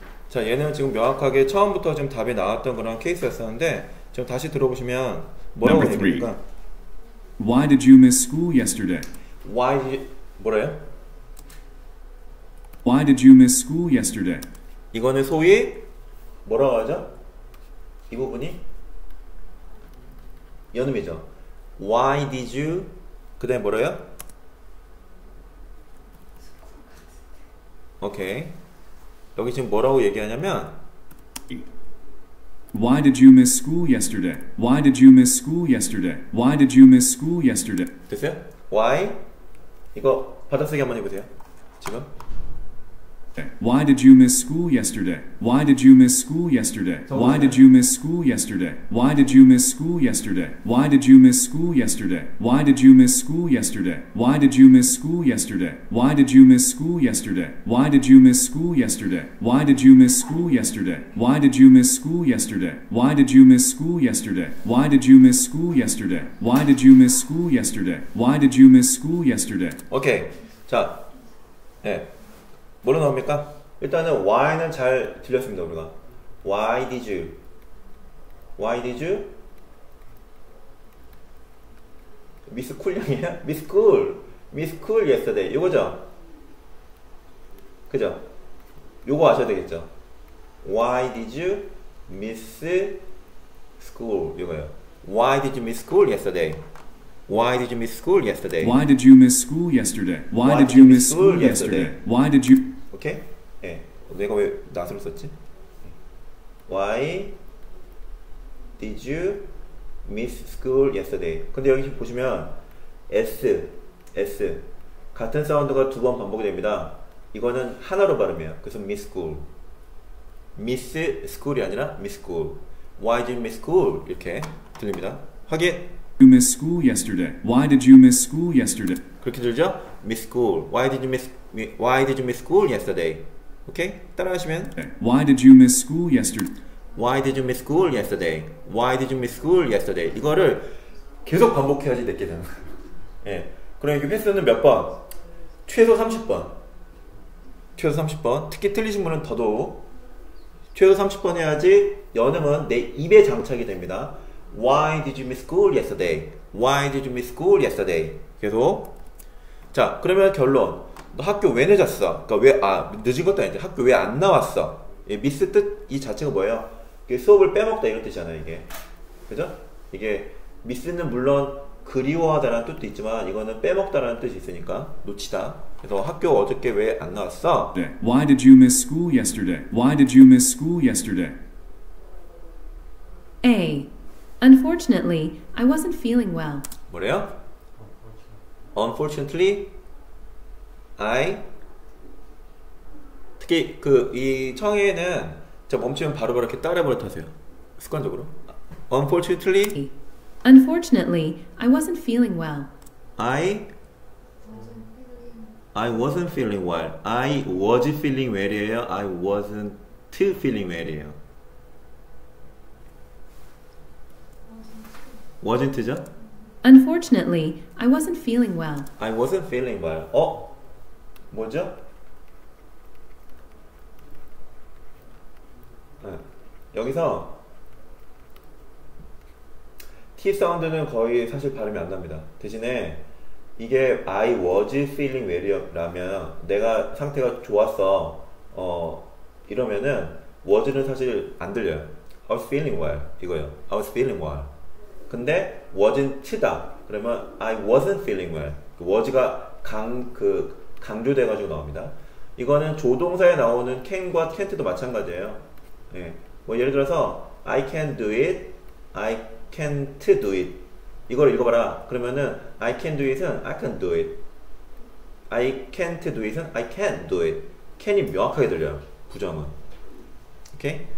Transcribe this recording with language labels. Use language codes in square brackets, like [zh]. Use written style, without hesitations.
[ko] 자, 얘는 지금 명확하게 처음부터 지금 답이 나왔던 그런 케이스였었는데 지금 다시 들어보시면 뭐라고 얘기합니까? [en] Why did you miss school yesterday? [ko] Why? 뭐래요? [en] Why did you miss school yesterday? [ko] 이거는 소위 뭐라고 하죠? 이 부분이 연음이죠. [en] Why did you? [ko] 그 다음에 뭐래요? 오케이. 여기 지금 뭐라고 얘기하냐면 [en] Why did you miss school yesterday? Why did you miss school yesterday? Why did you miss school yesterday? [ko] 됐어요? Why? 이거 받아쓰기 한번 해보세요. 지금 [en] Why did you miss school yesterday? Why did you miss school yesterday? Why did you miss school yesterday? Why did you miss school yesterday? Why did you miss school yesterday? Why did you miss school yesterday? Why did you miss school yesterday? Why did you miss school yesterday? Why did you miss school yesterday? Why did you miss school yesterday? Why did you miss school yesterday? Why did you miss school yesterday? Why did you miss school yesterday? Why did you miss school yesterday? Why did you miss school yesterday? [ko] Okay. 자. 예. 뭐로 나옵니까? 일단은 why는 잘 들렸습니다 우리가. [en] Why did you? Why did you? [ko] 미스쿨 형이야? 미스쿨. [en] 미스쿨 yesterday. [ko] 이거죠? 그죠? 이거 아셔야 되겠죠? [en] Why did you miss school? [ko] 이거요. [en] Why did you miss school yesterday? Why did you miss school yesterday? Why did you miss school yesterday? Why did you miss school yesterday? Why did you? [ko] Okay? 예. 네. 내가 왜 낫을 썼지? [en] Why did you miss school yesterday? [ko] 근데 여기 보시면 S 같은 사운드가 두 번 반복이 됩니다. 이거는 하나로 발음해요. [en] 그래서 miss school. Miss school이 아니라 miss school. Why did you miss school? [ko] 이렇게 들립니다. 확인! [en] You miss school yesterday. Why did you miss school yesterday? [ko] 그렇게 들죠? [en] Miss school. Why did you miss Why did you miss school yesterday? [ko] Okay? 따라하시면 [en] Why did you miss school yesterday? Why did you miss school yesterday? Why did you miss school yesterday? [ko] 이거를 계속 반복해야지 늦게 되는 거예요. 네. 그럼 이게 횟수는 몇 번? 최소 30번. 최소 30번. 특히 틀리신 분은 더더욱 최소 30번 해야지 연음은 내 입에 장착이 됩니다. [en] Why did you miss school yesterday? Why did you miss school yesterday? [ko] 계속. 자, 그러면 결론. 너 학교 왜 늦었어? 그러니까 왜, 아, 늦은 것도 아니지. 학교 왜 안 나왔어? 이 미스 뜻, 이 자체가 뭐예요? 이게 수업을 빼먹다 이런 뜻이잖아, 이게. 그죠? 이게 미스는 물론 그리워하다라는 뜻도 있지만 이거는 빼먹다라는 뜻이 있으니까 놓치다. 그래서 학교 어저께 왜 안 나왔어? [en] Why did you miss school yesterday? Why did you miss school yesterday? A. Unfortunately, I wasn't feeling well. [ko] 뭐래요? [en] Unfortunately, I [ko] 특히 그 이 청해에는 저 멈추면 바로바로 이렇게 따라버릇하세요. 습관적으로. [en] Unfortunately, Unfortunately, I wasn't feeling well. I wasn't feeling well. I was feeling well이에요. I wasn't feeling well이에요. Wasn't죠? Unfortunately, I wasn't feeling well. I wasn't feeling well. [ko] 어? 뭐죠? 여기서 T 사운드는 거의 사실 발음이 안 납니다. 대신에 이게 [en] I was feeling well [ko] 이라면 내가 상태가 좋았어 이러면은 was는 사실 안 들려요. [en] I was feeling well [ko] 이거요. [en] I was feeling well. 근데 wasn't다 그러면 I wasn't feeling well. [ko] was가 강조돼가지고 나옵니다. 이거는 조동사에 나오는 can과 can't도 마찬가지예요. 예. 뭐 예를 들어서 [en] I can do it, I can't do it. [ko] 이걸 읽어봐라. [en] 그러면은 I can do it은 I can do it, I can't do it은 I can't do it. [ko] can이 명확하게 들려요. 부정은. 오케이?